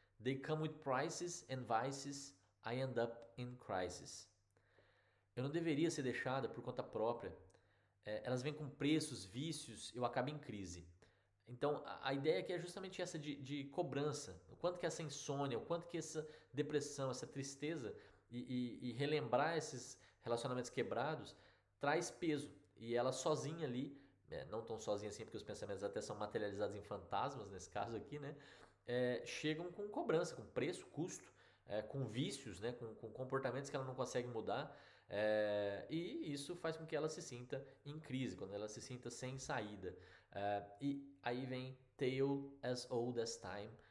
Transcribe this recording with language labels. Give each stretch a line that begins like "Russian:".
English: They come with prices and vices. I end up in crisis.
Portuguese: Eu não deveria ser deixada por conta própria. Elas vêm com preços, vícios, eu acabo em crise. Então, a ideia aqui é justamente essa de cobrança. O quanto que essa insônia, o quanto que essa depressão, essa tristeza e relembrar esses relacionamentos quebrados traz peso. E ela sozinha ali, não tão sozinha assim, porque os pensamentos até são materializados em fantasmas, nesse caso aqui, né? Chegam com cobrança, com preço, custo, com vícios, né? Com comportamentos que ela não consegue mudar. E isso faz com que ela se sinta em crise, quando ela se sinta sem saída. E aí vem Tale as Old as Time.